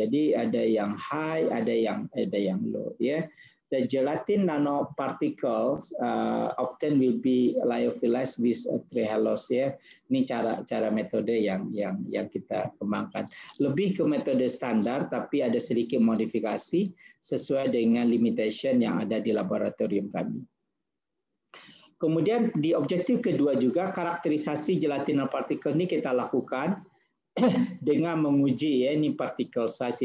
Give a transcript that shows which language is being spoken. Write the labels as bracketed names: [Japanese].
[Indonesian] Jadi ada yang high, ada yang low. Ya. [English] The gelatin nanoparticles obtained will be lyophilized with trihalose. Ya. [Indonesian] Ini cara metode yang kita kembangkan. Lebih ke metode standar, tapi ada sedikit modifikasi sesuai dengan limitation yang ada di laboratorium kami. Kemudian di objektif kedua juga, karakterisasi gelatin nanoparticle ini kita lakukan dengan menguji ya, ini particle size.